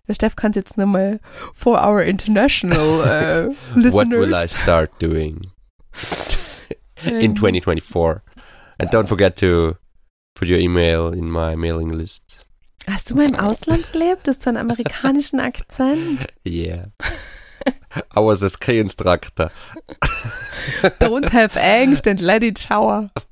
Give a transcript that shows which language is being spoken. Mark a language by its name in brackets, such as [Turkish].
[German] Der Steff kann es jetzt nochmal [English] for our international listeners. What will I start doing in 2024? And don't forget to put your email in my mailing list. [German] Hast du mal im Ausland gelebt? Hast du einen amerikanischen Akzent? [English] Yeah. I was a ski instructor. Don't have angst and let it shower.